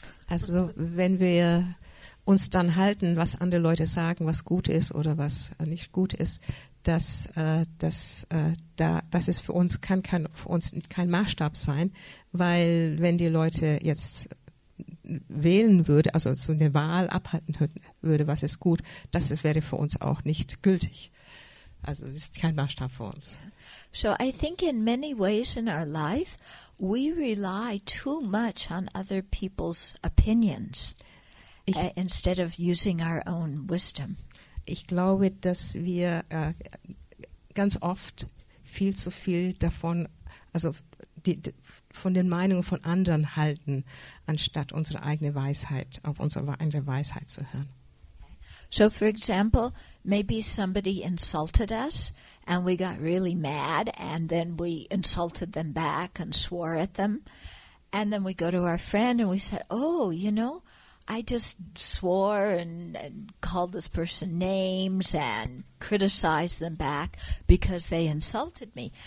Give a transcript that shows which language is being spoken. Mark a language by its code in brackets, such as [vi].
[de] Also, wenn wir uns dann halten, was andere Leute sagen, was gut ist oder was nicht gut ist, das ist für uns kein Maßstab sein, weil wenn die Leute jetzt wählen würde, also so eine Wahl abhalten würde, was ist gut, das wäre für uns auch nicht gültig. Also es ist kein Maßstab für uns. [en] So I think in many ways in our life we rely too much on other people's opinions. Instead of using our own wisdom. [de] Ich glaube, dass wir ganz oft viel zu viel davon, also von den Meinungen von anderen halten, anstatt unsere eigene Weisheit, auf unsere eigene Weisheit zu hören. [en] So for example, maybe somebody insulted us and we got really mad and then we insulted them back and swore at them. And then we go to our friend and we said, oh, you know, I just swore and called this person names and criticized them back because they insulted me.